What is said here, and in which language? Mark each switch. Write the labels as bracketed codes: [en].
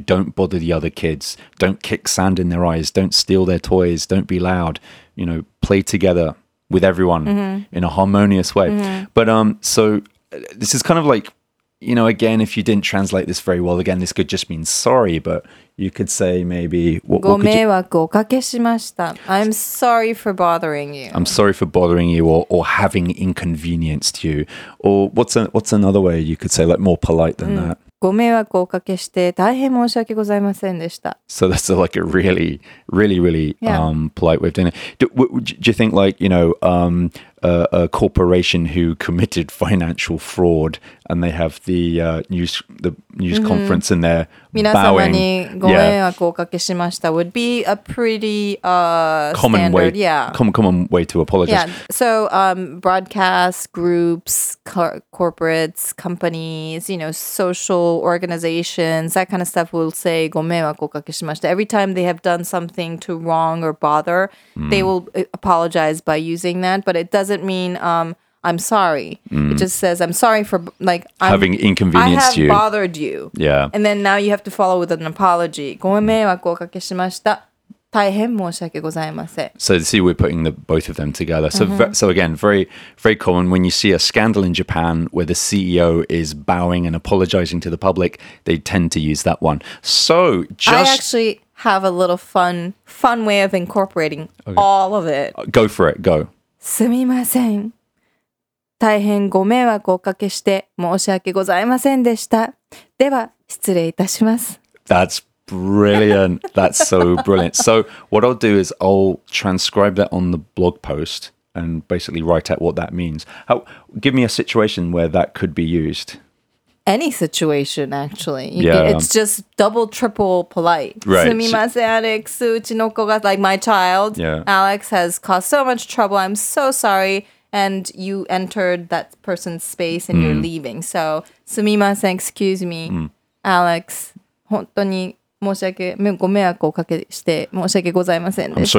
[en] Don't bother the other kids. Don't kick sand in their eyes. Don't steal their toys. Don't be loud. You know, play together with everyone in a harmonious way. Mm-hmm. But so this is kind of like,You know, again, if you didn't translate this very well, again, this could just mean sorry, but you could say maybe... [ja] ご迷惑をおかけしました。 [en] I'm sorry for bothering you. I'm sorry for bothering you or having inconvenienced you. Or what's another way you could say, like, more polite than that? [ja] ご迷惑をおかけして大変申し訳ございませんでした。 [en] So that's like a really, really, really polite way of doing it. Do you think, like, you know... A corporation who committed financial fraud and they have the news conference and they're bowing. [ja] 皆様にご迷惑をおかけしました [en] would be a pretty common way to apologize. Yeah. So broadcast groups, corporates, companies, you know, social organizations, that kind of stuff will say [ja] ご迷惑をおかけしました. [en] Every time they have done something to wrong or bother, they will apologize by using that, but it doesn't mean I'm sorry. It just says I'm sorry for like having inconvenienced you. I have bothered you. Yeah. And then now you have to follow with an apology. [ja] ご迷惑をおかけしました。大変申し訳ございません。 [en] So see, we're putting the both of them together. So so again, very very common when you see a scandal in Japan where the CEO is bowing and apologizing to the public, they tend to use that one. So just I actually have a little fun way of incorporating all of it. Go for it. Go. [ja] すみません。大変ご迷惑をおかけして申し訳ございませんでした。では、失礼いたします。 [en] That's brilliant. That's so brilliant. So, what I'll do is I'll transcribe that on the blog post and basically write out what that means. How, give me a situation where that could be used. Any situation, actually. It's just double, triple polite. Right. [ja] すみません、アレックス。うちの子が、 [en] like my child, Alex, has caused so much trouble. I'm so sorry. And you entered that person's space and you're leaving. So, [ja] すみません、 [en] excuse me, Alex. [ja] 本当に ご迷惑をかけして申し訳ございませんでした。